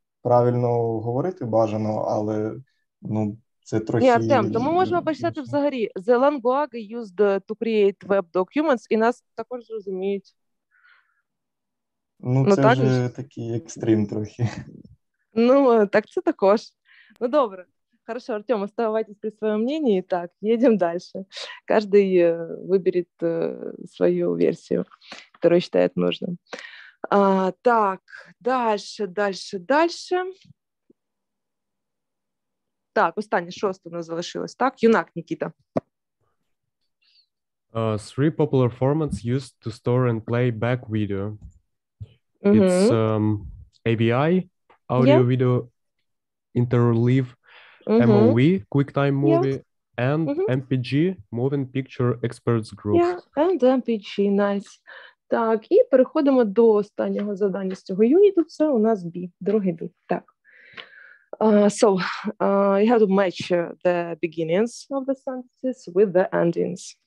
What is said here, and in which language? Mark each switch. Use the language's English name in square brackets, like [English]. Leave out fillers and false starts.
[Ukrainian] правильно говорити бажано, але ну, це трохи... Ні, Артем, то ми можемо писати взагалі. [English] The language used to create web documents, [Ukrainian] і нас також зрозуміють. Ну, це так, вже такий екстрим трохи. Ну, так це також. Ну, добре. [Russian] Хорошо, Артем, оставайтесь при своем мнении. Так, едем дальше. Каждый выберет свою версию, которую считает нужным. Так, дальше. Так, останнее, шестое у нас завершилось. Так, Юнак, Никита. [English] Three popular formats used to store and play back video. It's AVI, audio-video interleave, MOV, QuickTime Movie, and MPG, Moving Picture Experts Group. Yeah, and MPG, nice. [Ukrainian] Так, і переходимо до останнього завдання з цього юніту. Це у нас B, другий B. Так. [English] You have to match the beginnings of the sentences with the endings.